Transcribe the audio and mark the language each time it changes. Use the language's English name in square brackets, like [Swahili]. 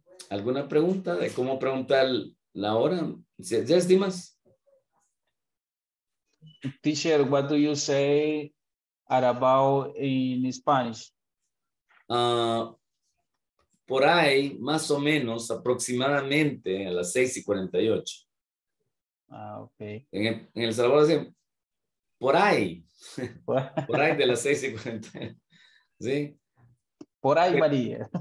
[Spanish] ¿Alguna pregunta de cómo preguntar la hora? [English] Yes, [Spanish] Dimas? [English] Teacher, what do you say Arabao in Spanish? [Spanish] Por ahí, más o menos, aproximadamente a las 6:48. Ah, ok. En El Salvador dicen, por ahí. Por ahí de las 6:48. ¿Sí? Por ahí, María.